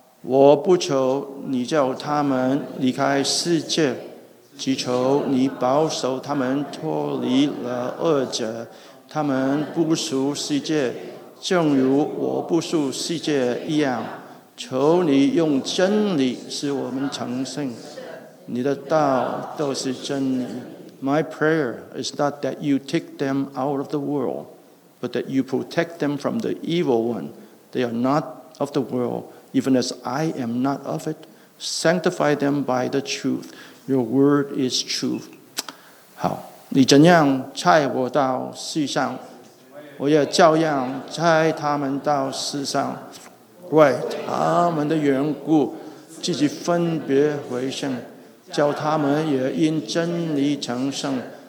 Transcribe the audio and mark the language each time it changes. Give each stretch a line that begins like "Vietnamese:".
Chinese: 我不求你叫他们离开世界，只求你保守他们脱离了恶者，他们不属世界，正如我不属世界一样。求你用真理使我们成圣，你的道都是真理。
English: My prayer is not that you take them out of the world, but that you protect them from the evil one. They are not of the worldEven as I am not of it, sanctify them by the truth. Your word is truth.
Chinese: 好，你怎样差我到世上，我也照样差他们到世上，为他们的缘故，自己分别为圣，叫他们也因真理成圣。